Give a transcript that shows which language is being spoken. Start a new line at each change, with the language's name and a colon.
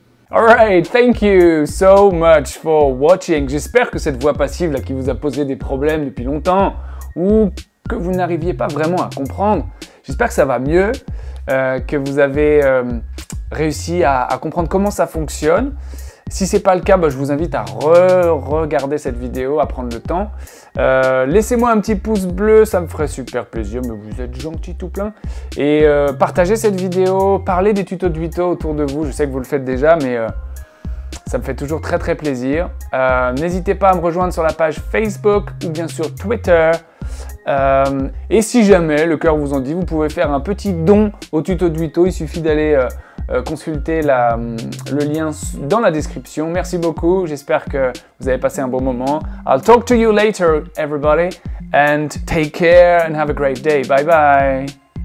English: All right, thank you so much for watching.
French: J'espère que cette voix passive là qui vous a posé des problèmes depuis longtemps ou que vous n'arriviez pas vraiment à comprendre, j'espère que ça va mieux, que vous avez... réussi à comprendre comment ça fonctionne. Si c'est pas le cas, je vous invite à re-regarder cette vidéo, à prendre le temps. Laissez-moi un petit pouce bleu, ça me ferait super plaisir, mais vous êtes gentil tout plein. Et partagez cette vidéo, parlez des tutos de Duito autour de vous. Je sais que vous le faites déjà, mais ça me fait toujours très très plaisir. N'hésitez pas à me rejoindre sur la page Facebook ou bien sûr Twitter. Et si jamais le cœur vous en dit, vous pouvez faire un petit don au tuto de Duito. Il suffit d'aller... consultez le lien dans la description. Merci beaucoup. J'espère que vous avez passé un bon moment.
English: I'll talk to you later, everybody. And take care and have a great day. Bye bye.